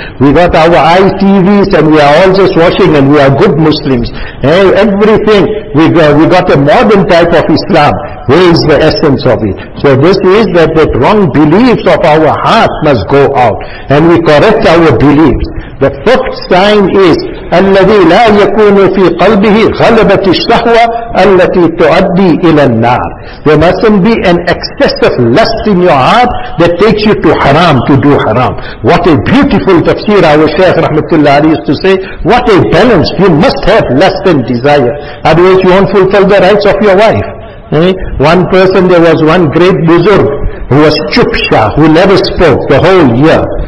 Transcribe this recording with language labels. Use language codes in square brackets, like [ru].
[en] We got our ITVs and we are all just watching and we are good Muslims. Hey, everything, we got a modern type of Islam. Where is the essence of it? So this is that the wrong beliefs of our heart must go out and we correct our beliefs. The fifth sign is [ar] الَّذِي لَا يَكُونُ فِي قَلْبِهِ غَلَبَةِ الشَّهْوَةِ الَّتِي تُعَدِّي إِلَى النَّارِ. [en] There mustn't be an excessive lust in your heart that takes you to haram, to do haram. What a beautiful tafsir our Shaykh Rahmatullah Ali used to say. What a balance. You must have lust and desire. Otherwise you won't fulfill the rights of your wife. One person, there was one great buzurg who was chupsha, who never spoke the whole year.